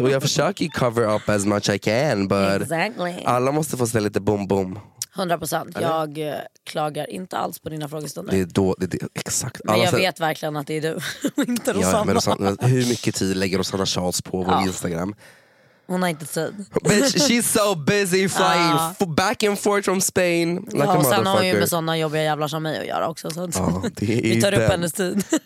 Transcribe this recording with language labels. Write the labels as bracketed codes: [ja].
[sv] Och jag försöker [en] cover up as much I can, but exactly, [sv] alla måste få ställa lite bom bom. 100%. Jag klagar inte alls på dina frågestunder. Det är då det är exakt. Alla, men jag vet verkligen att det är du, inte Rosanna. Ja, men Rosanna, hur mycket tid lägger Rosanna Charles på vår, ja, Instagram? Hon har inte tid. [en] She's so busy flying, ja, back and forth from Spain. Like, [sv] ja, och a sen har hon ju med sådana jobbiga jävlar som mig att göra också. Så ja, det är vi tar den upp hennes tid.